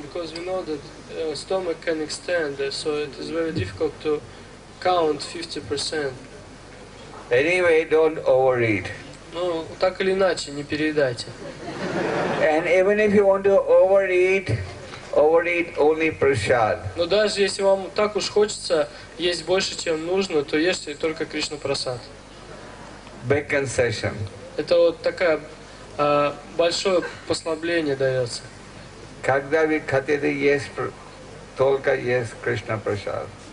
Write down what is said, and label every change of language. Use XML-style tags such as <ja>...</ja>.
<en>Because we know that stomach can extend, so it is very difficult to count 50%. Anyway, don't overeat.</en> <ru>Ну, так или иначе, не переедайте.</ru> <en>And even if you want to overeat, overeat only prasad.</en> <ru>Но даже если вам так уж хочется есть больше, чем нужно, то ешьте только Кришна прасад.</ru> <en>Big concession.</en> <ru>Это вот такое большое послабление дается. Когда вы хотите есть, только есть Кришна прасад.</ru>